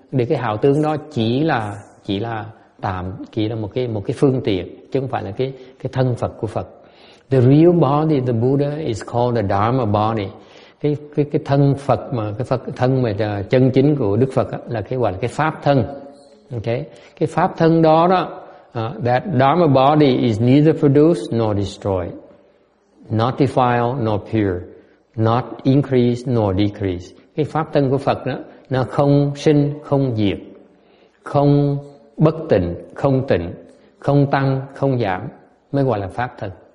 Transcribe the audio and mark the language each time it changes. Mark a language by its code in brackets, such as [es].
[vi] Để cái hào tướng đó chỉ là tạm, chỉ là một cái phương tiện, chứ không phải là cái thân Phật của Phật. [en] The real body, the Buddha, is called the Dharma body. [vi] Cái thân Phật mà chân chính của Đức Phật á, là cái gọi là cái pháp thân. Okay? Cái pháp thân đó, [en] that Dharma body is neither produced nor destroyed, not defiled nor pure, not increased nor decreased. [vi] Cái pháp thân của Phật đó, nó không sinh, không diệt, không bất tịnh, không tịnh, không tăng, không giảm, mới gọi là pháp thân.